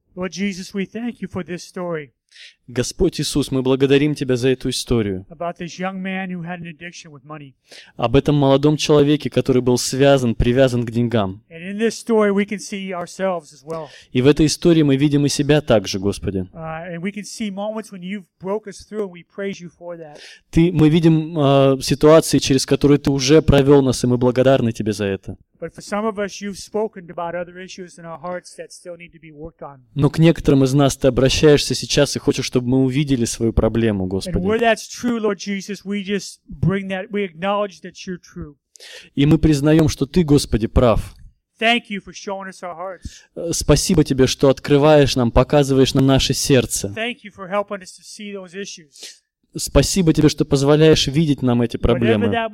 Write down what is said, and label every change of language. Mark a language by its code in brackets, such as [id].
[en] Lord Jesus, we thank you for this story. [ru] Господь Иисус, мы благодарим Тебя за эту историю. [en] About this young man who had an addiction with money. [ru] Об этом молодом человеке, который был связан, привязан к деньгам. [en] And in this story we can see ourselves as well. [ru] И в этой истории мы видим и себя также, Господи. [en] And we can see moments when you've broke us through, and we praise you for that. [ru] Мы видим ситуации, через которые Ты уже провел нас, и мы благодарны Тебе за это. [en] But for some of us, you've spoken about other issues in our hearts that still need to be worked on. [ru] Но к некоторым из нас Ты обращаешься сейчас и хочешь, чтобы мы увидели свою проблему, Господи. [en] And where that's true, Lord Jesus, we just bring that, we acknowledge that you're true. [ru] И мы признаем, что Ты, Господи, прав. [en] Thank you for showing us our hearts. [ru] Спасибо Тебе, что открываешь нам, показываешь нам наше сердце. [en] Thank you for helping us to see those issues. [ru] Спасибо Тебе, что позволяешь видеть нам эти проблемы.